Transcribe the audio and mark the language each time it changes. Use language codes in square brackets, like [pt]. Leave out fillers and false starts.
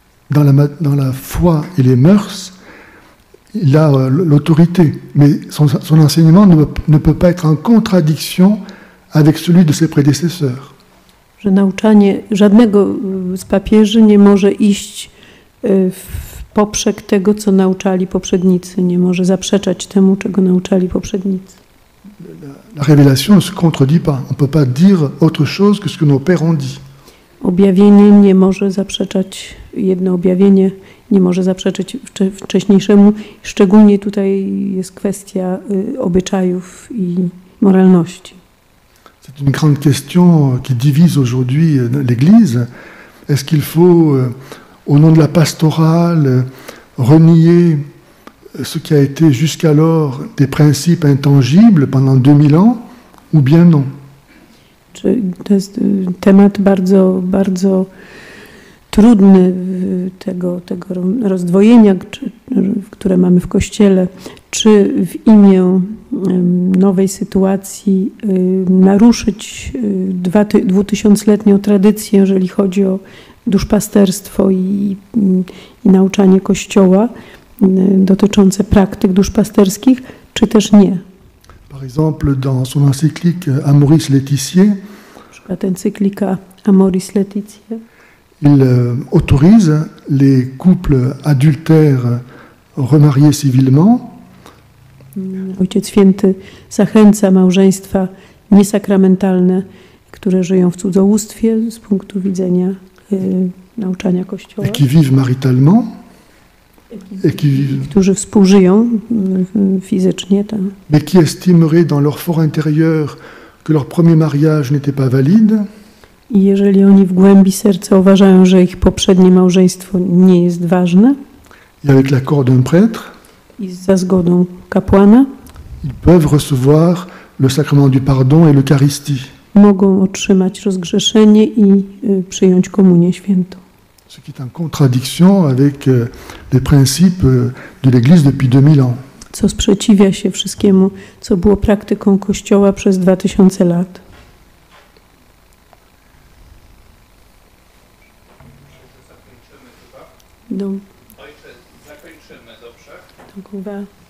[fr] Dans la foi et les mœurs, il a l'autorité, mais son enseignement ne peut pas être en contradiction avec celui de ses prédécesseurs. [pl] Że nauczanie żadnego z papieży nie może iść w poprzek tego, co nauczali poprzednicy, nie może zaprzeczać temu, czego nauczali poprzednicy. [fr] La révélation ne se contredit pas. On ne peut pas dire autre chose que ce que nos pères ont dit. [pl] Objawienie nie może zaprzeczać, jedno objawienie nie może zaprzeczyć wcześniejszemu. Szczególnie tutaj jest kwestia obyczajów i moralności. [fr] C'est une grande question qui divise aujourd'hui l'Église. Est-ce qu'il faut, au nom de la pastorale, renier ce qui a été jusqu'alors des principes intangibles pendant 2000 ans, ou bien non? [pl] To jest temat bardzo, bardzo trudny tego rozdwojenia, które mamy w Kościele. Czy w imię nowej sytuacji naruszyć dwutysiącletnią tradycję, jeżeli chodzi o duszpasterstwo i nauczanie Kościoła dotyczące praktyk duszpasterskich, czy też nie? [fr] Par exemple, dans son encyclique Amoris Laetitiae, [pl] encyclica Amoris Laetitiae. [fr] Il autorise les couples adultères remariés civilement. [pl] Ojciec Święty zachęca małżeństwa niesakramentalne, które żyją w cudzołóstwie z punktu widzenia nauczania Kościoła. [fr] Et qui vivent maritalement. [pl] Którzy współżyją fizycznie. Tam. [fr] Mais qui estimeraient dans leur fort intérieur que leur premier mariage n'était pas valide. [pl] I jeżeli oni w głębi serca uważają, że ich poprzednie małżeństwo nie jest ważne. [fr] Et avec l'accord d'un prêtre. [pl] I za zgodą kapłana. [fr] Ils peuvent recevoir le sacrement du pardon et l'Eucharistie. [pl] Mogą otrzymać rozgrzeszenie i przyjąć komunię świętą. [fr] Ce qui est en contradiction avec les principes de l'Église depuis 2000 ans. [pl] Co sprzeciwia się wszystkiemu, co było praktyką Kościoła przez 2000 lat. Ojcze, zakończymy, dobrze?